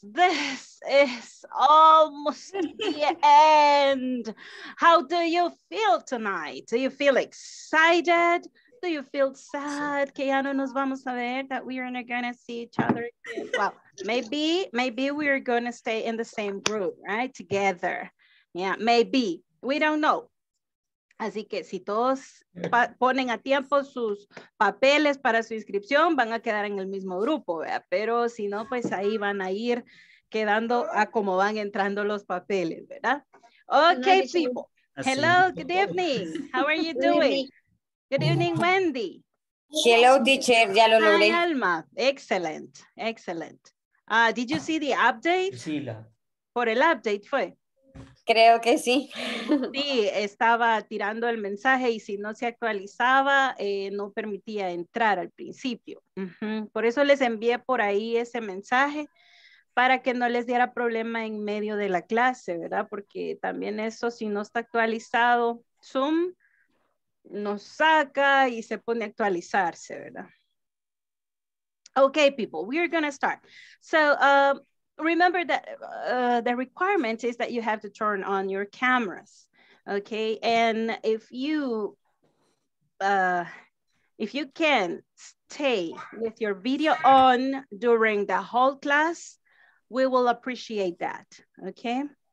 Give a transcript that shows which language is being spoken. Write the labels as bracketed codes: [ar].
[en] This is almost the end. How do you feel tonight? Do you feel excited? Do you feel sad? [es] Que ya no nos vamos a ver, [en] that we are not going to see each other again. Well, maybe we're going to stay in the same group, right? Together. Yeah, maybe. We don't know. [es] Así que si todos ponen a tiempo sus papeles para su inscripción, van a quedar en el mismo grupo, ¿verdad? Pero si no, pues ahí van a ir quedando a como van entrando los papeles, ¿verdad? [en] Okay, people. Hello, good evening. How are you doing? Good evening, Wendy. Hello, teacher. [es] Ya lo logré. [en] Hi, Alma. Excellent. Excellent. Did you see the update? [es] Sí, la. Por el update fue. Creo que sí. Sí, estaba tirando el mensaje y si no se actualizaba, no permitía entrar al principio. Uh-huh. Por eso les envié por ahí ese mensaje, para que no les diera problema en medio de la clase, ¿verdad? Porque también eso, si no está actualizado, Zoom nos saca y se pone a actualizarse, ¿verdad? [en] Okay, people, we're gonna start. So, remember that the requirement is that you have to turn on your cameras, okay? And if you can stay with your video on during the whole class, we will appreciate that, okay?